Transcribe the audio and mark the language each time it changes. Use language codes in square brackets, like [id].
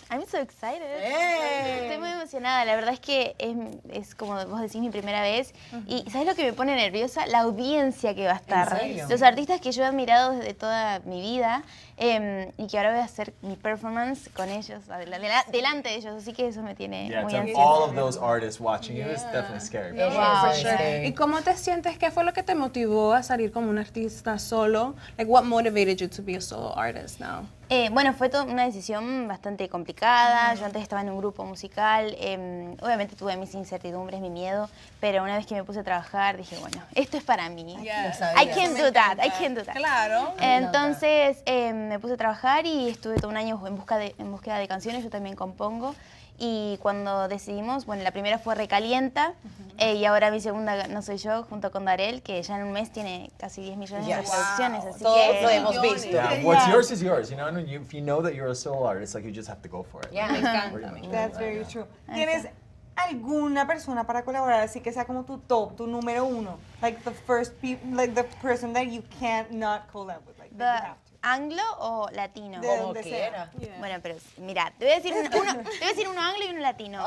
[en] I'm so excited. Hey. [es] Estoy muy emocionada. La verdad es que es como vos decís, mi primera vez. Uh-huh. Y ¿sabes lo que me pone nerviosa? La audiencia que va a estar. ¿En serio? Los artistas que yo he admirado desde toda mi vida. Y que ahora voy a hacer mi performance con ellos, delante de ellos, así que eso me tiene muy ansioso. [en] Yeah, all of those artists watching you, it's definitely scary. Yeah. Wow, for sure. Yeah. [es] ¿Y cómo te sientes? ¿Qué fue lo que te motivó a salir como un artista solo? [en] Like, what motivated you to be a solo artist now? [es] Bueno, fue una decisión bastante complicada. Uh-huh. Yo antes estaba en un grupo musical. Obviamente tuve mis incertidumbres, mi miedo, pero una vez que me puse a trabajar, dije, bueno, esto es para mí. [en] Yeah. I can't do that, I can't do that. [es] Claro. Entonces, me puse a trabajar y estuve todo un año en búsqueda de canciones. Yo también compongo. Y cuando decidimos, bueno, la primera fue Recalienta. Uh-huh. Y ahora mi segunda, No Soy Yo, junto con Darell, que ya en un mes tiene casi 10 millones de reproducciones. Así todos lo hemos visto. [en] Yeah. What's yours is yours, you know? And if you know that you're a solo artist, like, you just have to go for it. Yeah, like, that's very true. [es] ¿Tienes alguna persona para colaborar así que sea como tu top, tu número uno? [en] Like, the first like the person that you can't not collab with, like, that you have to. [es] ¿Anglo o latino? Como quiera. Bueno, pero mira, te voy a decir uno anglo y uno latino.